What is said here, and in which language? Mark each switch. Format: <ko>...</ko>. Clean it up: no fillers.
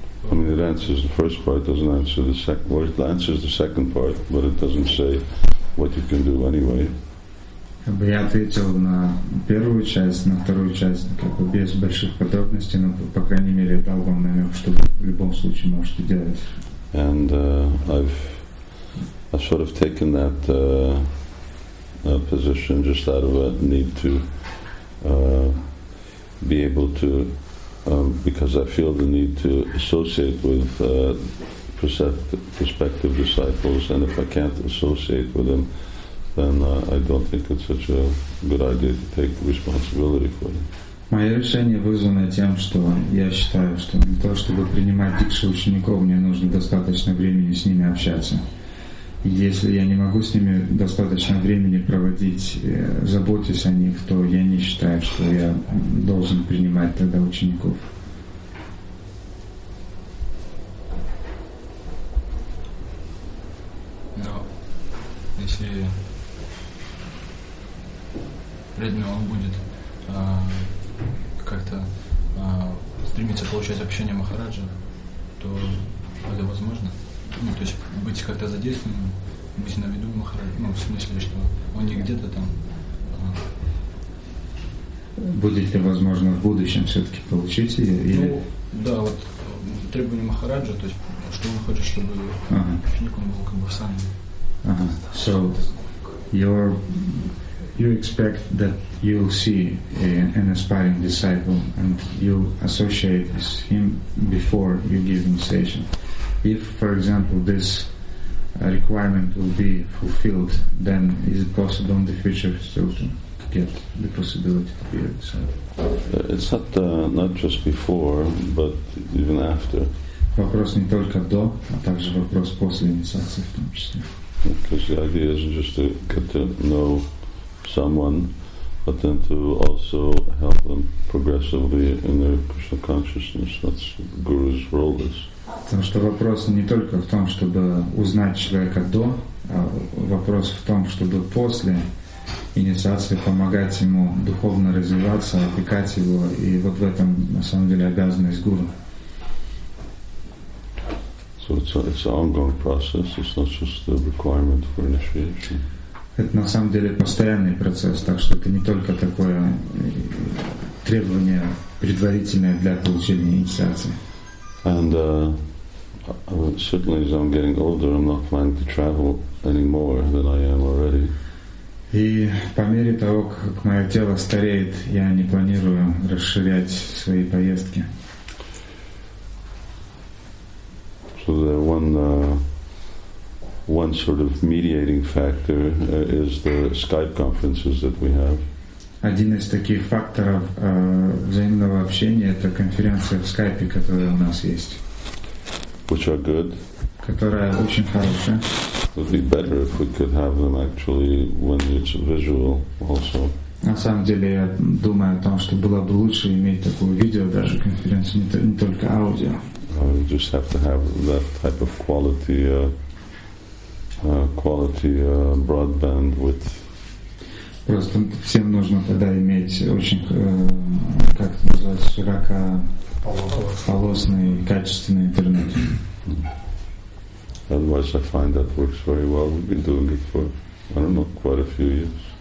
<en>I mean, it answers the first part, doesn't answer the second part. Well, it answers the second part, but it doesn't say what you can do anyway.</en> <ru>Я ответил на первую часть, на вторую часть, как бы без больших подробностей, но по крайней мере дал вам намек, что вы в любом случае можете делать.</ru> <en>And I've sort of taken that position just out of a need to be able to because I feel the need to associate with prospective disciples, and if I can't associate with them, then I don't think it's such a good idea to take responsibility for it.</en> <ru>Моё решение вызвано тем, что я считаю, что для того, чтобы принимать дикшу учеников, мне нужно достаточно времени с ними общаться. И если я не могу с ними достаточно времени проводить, заботясь о них, то я не считаю, что я должен принимать тогда учеников. Но если он будет как-то стремиться получать общение Махараджа, то это возможно. Ну, то есть быть как-то задействованным, быть на виду Махараджа, ну, в смысле, что он не где-то там. Будет ли возможно в будущем все-таки получить ее? Ну, Да, вот требования Махараджа, то есть что он хочет, чтобы ученик он был как бы в сане.</ru> <en>So you expect that you'll see an aspiring disciple and you associate with him before you give initiation. If, for example, this requirement will be fulfilled, then is it possible in the future still to get the possibility to be a disciple? It's not just before, but even after.</en> <ru>Вопрос не только до, а также вопрос после инициации в том числе.</ru> <en>Because the idea isn't just to get to know someone, but then to also help them progressively in their Krishna consciousness. That's what the guru's role is.</en> <ru>Потому что вопрос не только в том, чтобы узнать человека до, а вопрос в том, чтобы после инициации помогать ему духовно развиваться, опекать его, и вот в этом на самом деле обязанность гуру.</ru> <en>So it's an ongoing process. It's not just a requirement for initiation.</en> <ru>Это на самом деле постоянный процесс, так что это не только такое требование предварительное для получения инициации.</ru> <en>And certainly, as I'm getting older, I'm not planning to travel any more than I am already.</en> <ru>И по мере того, как мое тело стареет, я не планирую расширять свои поездки.</ru> <en>So the one sort of mediating factor is the Skype conferences that we have.</en> <ru>Один из таких факторов взаимного общения — это конференция в Скайпе, которая у нас есть.</ru> <en>Which are good.</en> <ru>Которая очень хорошая.</ru> <en>It would be better if we could have them actually when it's visual also.</en> <ru>На самом деле я думаю о том, что было бы лучше иметь такую видео даже конференцию, не только аудио.</ru> <en>We just have to have that type of quality broadband with.</en> <ru>Просто всем нужно тогда иметь очень как это называется широкополосный качественный интернет.</ru> <en>Otherwise, I find that works very well. We've been doing it for I don't know quite a few years.</en>